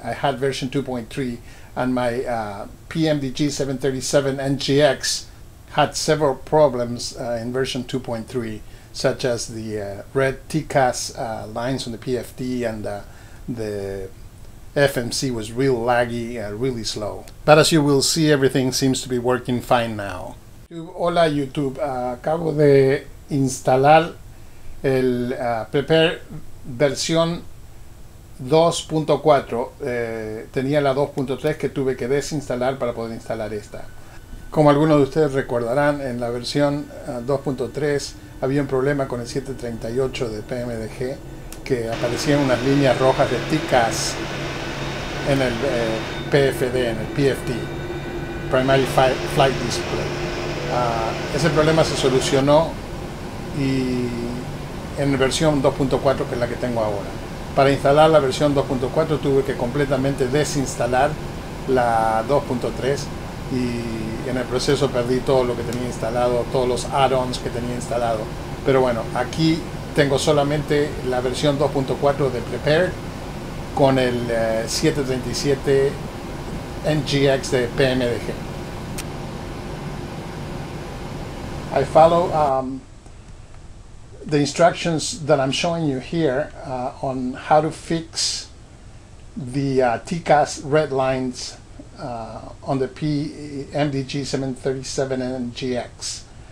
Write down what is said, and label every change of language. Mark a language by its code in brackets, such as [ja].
[en] I had version 2.3 and my PMDG 737 NGX had several problems in version 2.3, such as the red TCAS lines on the PFD and the FMC was real laggy and really slow. But as you will see, everything seems to be working fine now. [es] Hola YouTube, acabo de instalar el Prepared versión 2.4. Tenía la 2.3 que tuve que desinstalar para poder instalar esta. Como algunos de ustedes recordarán, en la versión 2.3 había un problema con el 738 de PMDG, que aparecían unas líneas rojas de TCAS en el PFD, en el PFD, Primary Flight Display. Ese problema se solucionó y en versión 2.4, que es la que tengo ahora. Para instalar la versión 2.4 tuve que completamente desinstalar la 2.3 y en el proceso perdí todo lo que tenía instalado, todos los add-ons que tenía instalado. Pero bueno, aquí tengo solamente la versión 2.4 de Prepared con el 737 NGX de PMDG. [en] I follow the instructions that I'm showing you here on how to fix the TCAS red lines on the PMDG 737 NGX.